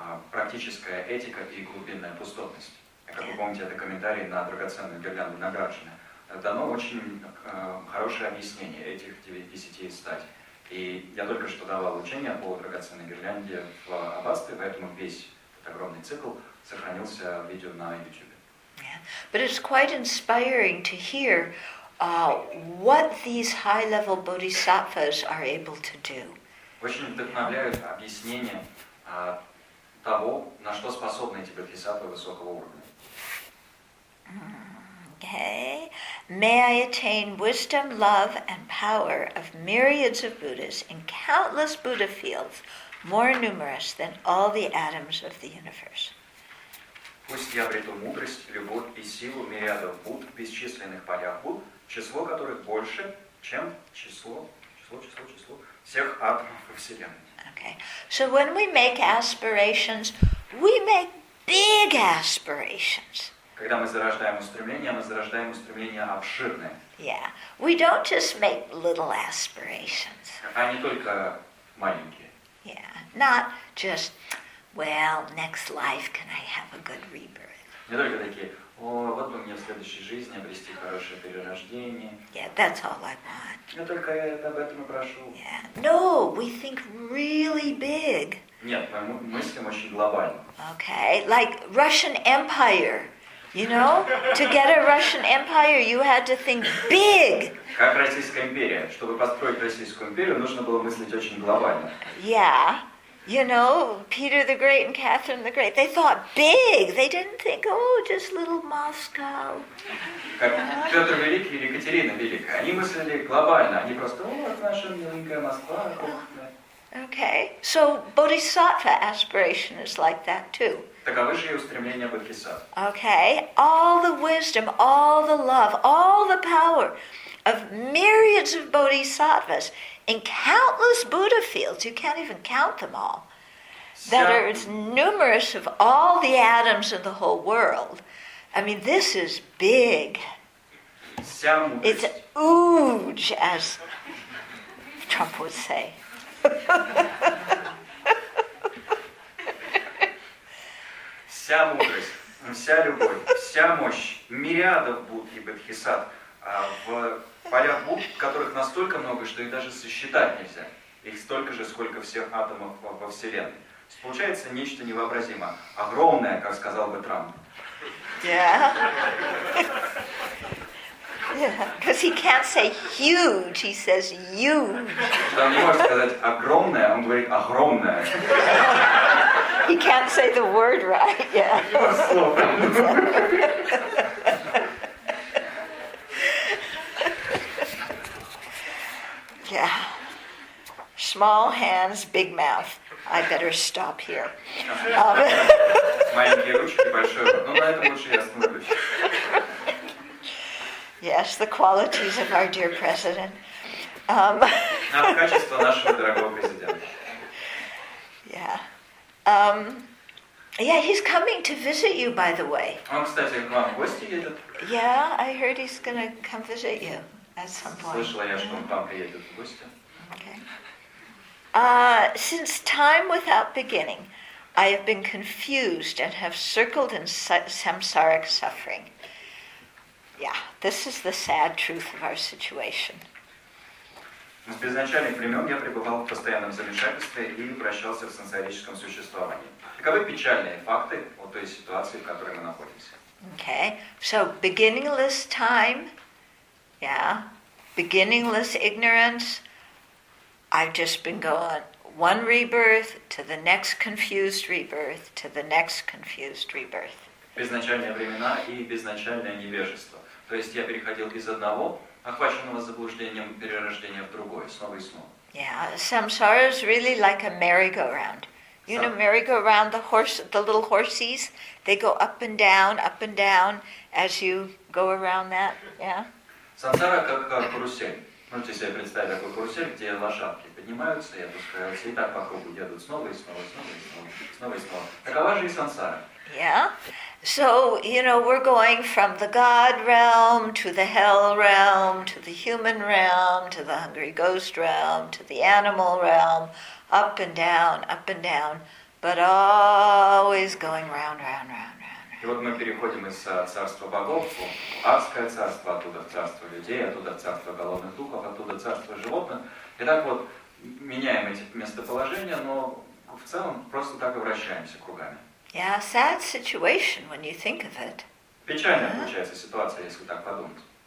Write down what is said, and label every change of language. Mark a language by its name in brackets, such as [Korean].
[Russian] практическая этика и глубинная пустотность. Как вы помните, это комментарий на драгоценную гирлянду Нагарджуны. Дано очень хорошее объяснение этих 10 стадий. И я только что давал учение по драгоценной гирлянде в аббатстве, поэтому весь этот огромный цикл сохранился в видео на YouTube. [English] Yeah. But it's quite inspiring to hear what these high-level bodhisattvas are able to do. [Russian] Очень вдохновляет объяснение того, на что способны эти бодхисаттвы высокого уровня. [English] Okay. May I attain wisdom, love, and power of myriads of Buddhas in countless Buddha fields, more numerous than all the atoms of the universe. [Russian] Пусть я обрету мудрость, любовь и силу мириадов Будд в бесчисленных полях Будд, число которых больше, чем число всех атомов во Вселенной. [English] Okay. So when we make aspirations, we make big aspirations. [Russian] Когда мы зарождаем устремления, мы зарождаем устремления обширные. [English] Yeah. We don't just make little aspirations. [Russian] А не только маленькие. [English] Yeah. Not just, well, next life can I have a good rebirth. [Russian] Не только такие, о, вот бы мне в следующей жизни обрести хорошее перерождение. [English] Yeah, that's all I want. [Russian] Я только это об этом и прошу. [English] Yeah. No, we think really big. [Russian] Нет, мы мыслим очень глобально. [English] Okay, like Russian Empire. You know, to get a Russian Empire, you had to think big. [Russian] Как Российская империя. Чтобы построить Российскую империю, нужно было мыслить очень глобально. [English] Yeah. You know, Peter the Great and Catherine the Great, they thought big. They didn't think, oh, just little Moscow. [Russian] Как Петр Великий или Екатерина Великая. Они мыслили глобально. Они просто, о, вот наша миленькая Москва. [English] Okay. So, Bodhisattva aspiration is like that, too. [Russian] Таковы же и устремления бодхисаттв. [English] Okay. All the wisdom, all the love, all the power of myriads of bodhisattvas in countless Buddha fields, you can't even count them all, that are as numerous of all the atoms of the whole world. I mean, this is big. It's huge, as Trump would say. [Russian] Вся мудрость, вся любовь, вся мощь мириадов Будд и Бодхисаттв в полях Будд, которых настолько много, что их даже сосчитать нельзя. Их столько же, сколько всех атомов во Вселенной. Получается нечто невообразимое. Огромное, как сказал бы Трамп. [English] Yeah. Because he can't say huge, he says huge. [Russian] Он не может сказать огромное, он говорит огромное. [English] He can't say the word right, yeah. Yeah. Small hands, big mouth. I better stop here. [Russian] Маленькие ручки, большой рот. Ну, на этом лучше я остановлюсь. [English] Yes, the qualities of our dear president. [Russian] Качество нашего дорогого президента. [English] Yeah. Yeah, he's coming to visit you, by the way. [Russian] Он, кстати, к вам в гости едет. [English] Yeah, I heard he's gonna come visit you at some point. [Russian] Слышала я, что он там приедет в гости. [English] Okay. Since time without beginning, I have been confused and have circled in samsaric suffering. Yeah, this is the sad truth of our situation. [Russian] С безначальных времен я пребывал в постоянном замешательстве и вращался в сансарическом существовании. Таковы печальные факты о той ситуации, в которой мы находимся. [English] Okay. So beginningless time, yeah, beginningless ignorance. I've just been going one rebirth to the next confused rebirth to the next confused rebirth. [Russian] Безначальные времена и безначальное невежество. То есть я переходил из одного охваченного заблуждением перерождения в другое, снова и снова. [English] Yeah, samsara is really like a merry-go-round. You know, merry-go-round, the little horsies, they go up and down as you go around that, yeah? [Russian] Самсара как карусель. Можете себе представить такой карусель, где лошадки поднимаются и опускаются, и так по кругу едут снова и снова, снова и снова, снова и снова. Такова же и самсара. [English] Yeah? So, you know, we're going from the God realm to the hell realm to the human realm to the hungry ghost realm to the animal realm, up and down, But always going round, round, round, round. [Russian] И вот мы переходим из царства богов в адское царство, оттуда в царство людей, оттуда в царство голодных духов, оттуда в царство животных. И так вот меняем эти местоположения, но в целом просто так и вращаемся кругами. [English] Yeah, sad situation when you think of it. [Russian] Печальная получается ситуация, если так подумать.